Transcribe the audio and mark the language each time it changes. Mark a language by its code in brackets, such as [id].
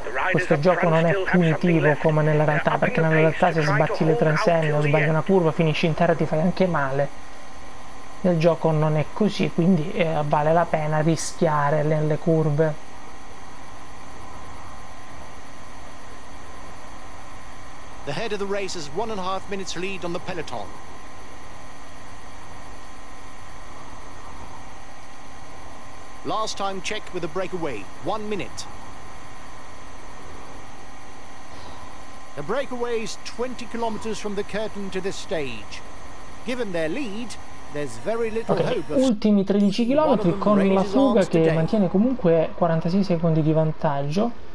[it] Questo gioco non è punitivo come nella realtà, perché nella realtà se sbatti le transenne o sbagli una curva, finisci in terra e ti fai anche male. Nel gioco non è così, quindi vale la pena rischiare nelle curve. [en] The head of the race has 1.5 minutes lead on the peloton. Last time check with a breakaway, 1 minute. The breakaway is 20 kilometers from the curtain to this stage. Given their lead, there's very little hope of... [it] Ultimi 13 km con la fuga che mantiene comunque 46 secondi di vantaggio.